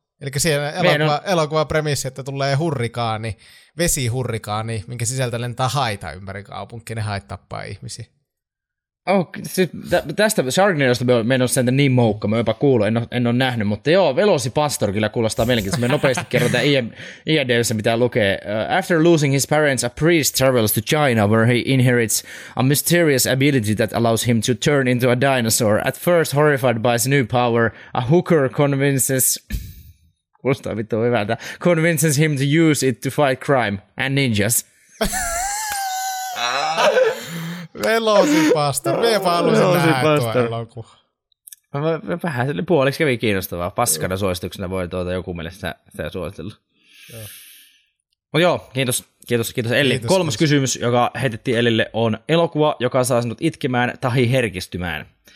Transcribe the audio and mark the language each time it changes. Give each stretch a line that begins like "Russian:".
Finnish: Eli siinä elokuva premissi, että tulee hurrikaani, vesihurrikaani, minkä sisältä lentää haita ympäri kaupunkia, ne hait tappaa ihmisiä. Okay, siis tästä Sharknadosta me en ole sieltä niin moukka, mä jopa kuullut, en ole nähnyt, mutta joo, Velosi Pastor kyllä kuulostaa mielenkiintoista. Me nopeasti kerrotaan IMDb:ssä, mitä lukee.
English: After losing his parents, a priest travels to China, where he inherits a mysterious ability that allows him to turn into a dinosaur. At first horrified by his new power, a hooker convinces...
Finnish: Kuulostaa vittu hyvältä.
English: Convinces him to use it to fight crime and ninjas.
Finnish: Velosi pastor. Mepä haluaisin nähdä pastor. Tuo elokuva. Vähän sille puoliksi kävi kiinnostavaa. Paskana suosituksena voi joku mielestä sitä suositella. Mutta joo, kiitos Elli. Kiitos, kolmas kiitos. Kysymys, joka heitettiin Ellille, on elokuva, joka saa sinut itkemään tai herkistymään.